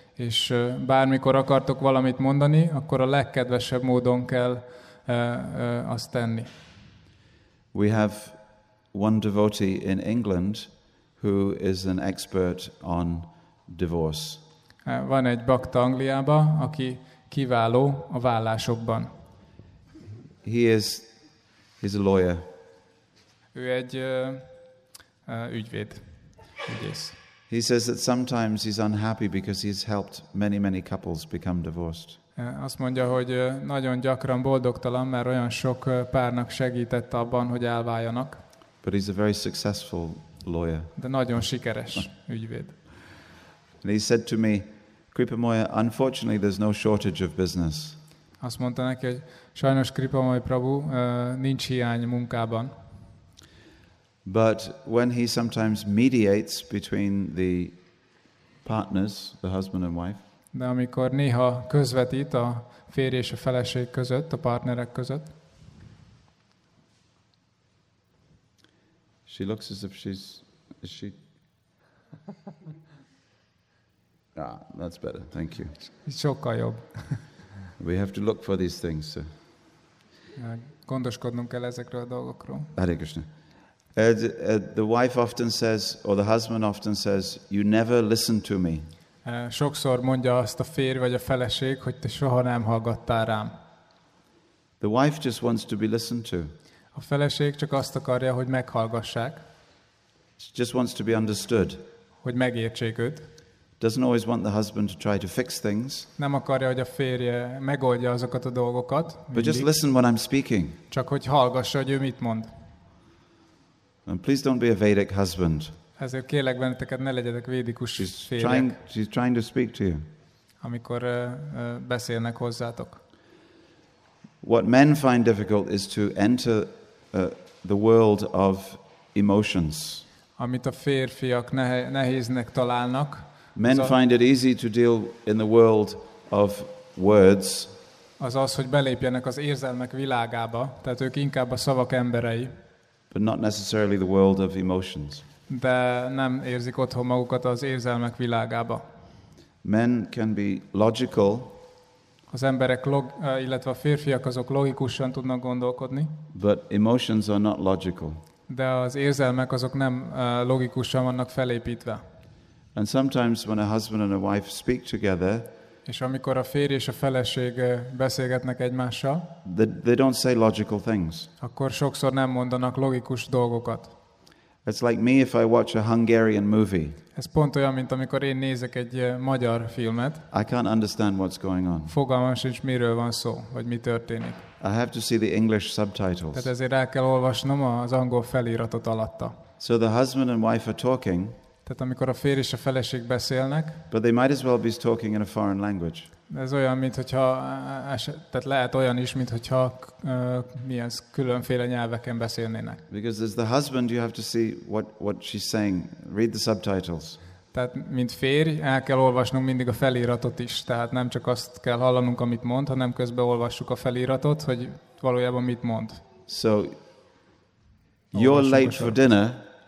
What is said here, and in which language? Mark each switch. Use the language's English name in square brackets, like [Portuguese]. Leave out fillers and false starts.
[Hungarian] És bármikor akartok valamit mondani, akkor a legkedvesebb módon kell azt tenni. [English] We have one devotee in England who is an expert on divorce. [Hungarian] Van egy bakta Angliába, aki kiváló a vállásokban. [English] He's a lawyer. [Hungarian] Ő egy ügyvéd. Ügyész. [English] He says that sometimes he's unhappy because he's helped many couples become divorced. [Hungarian] Azt mondja, hogy nagyon gyakran boldogtalan, mert olyan sok párnak segített abban, hogy elváljanak. [English] But he's a very successful lawyer. [Hungarian] De nagyon sikeres ügyvéd. [English] And he said to me, Kripa Moya, unfortunately there's no shortage of business. [Hungarian] Azt mondta neki, hogy sajnos Kripa Moya Prabhu, nincs hiány munkában. [English] But when he sometimes mediates between the partners, the husband and wife. [Hungarian] De amikor néha közvetít a férj és a feleség között, a partnerek között. [English] She looks as if she's, is she? Ah, that's better. Thank you. It's [Hungarian] sokkal jobb. [English] We have to look for these things. So. [Hungarian] Gondoskodnunk kell ezekről a dolgokról. [Sanskrit] Hare Krishna. [English] The wife often says, or the husband often says, you never listen to me. [Hungarian] Sokszor mondja azt a férj vagy a feleség, hogy te soha nem hallgattál rám. [English] The wife just wants to be listened to. [Hungarian] A feleség csak azt akarja, hogy meghallgassák. [English] She just wants to be understood. [Hungarian] Hogy megértsék őt. [English] Doesn't always want the husband to try to fix things. [Hungarian] Nem akarja, hogy a férje megoldja azokat a dolgokat. Mindig. [English] But just listen when I'm speaking. [Hungarian] Csak hogy hallgassa, hogy ő mit mond. [English] And please don't be a Vedic husband. [Hungarian] Ezért kérlek benneteket, ne legyetek védikus férjek. [English] She's trying to speak to you. [Hungarian] Amikor beszélnek hozzátok. [English] What men find difficult is to enter the world of emotions. [Hungarian] Amit a férfiak nehéznek találnak. [English] Men find it easy to deal in the world of words. [Hungarian] Az, hogy belépjenek az érzelmek világába, tehát ők inkább a szavak emberei. [English] But not necessarily the world of emotions. [Hungarian] De nem érzik otthon magukat az érzelmek világába. [English] Men can be logical. [Hungarian] Az emberek illetve a férfiak azok logikusan tudnak gondolkodni. [English] But emotions are not logical. [Hungarian] De az érzelmek azok nem logikusan vannak felépítve. [English] And sometimes when a husband and a wife speak together, [Hungarian] és amikor a férj és a feleség beszélgetnek egymással, [English] they don't say logical things. [Hungarian] Akkor sokszor nem mondanak logikus dolgokat. [English] It's like me if I watch a Hungarian movie. [Hungarian] Ez pont olyan, mint amikor én nézek egy magyar filmet. [English] I can't understand what's going on. [Hungarian] Fogalmam sincs, miről van szó, vagy mi történik. [English] I have to see the English subtitles. [Hungarian] Tehát ezért el kell olvasnom az angol feliratot alatta. [English] So the husband and wife are talking. [Hungarian] Tehát amikor a férj és a feleség beszélnek. [English] But they might as well be talking in a foreign language. [Hungarian] Ez olyan, mint hogyha, tehát lehet olyan is, mint hogyha milyen különféle nyelveken beszélnének. [English] Because as the husband, you have to see what she's saying. Read the subtitles. [Hungarian] Tehát mint férj, el kell olvasnunk mindig a feliratot is. Tehát nem csak azt kell hallanunk, amit mond, hanem közben olvassuk a feliratot, hogy valójában mit mond. [English] So, you're late for dinner.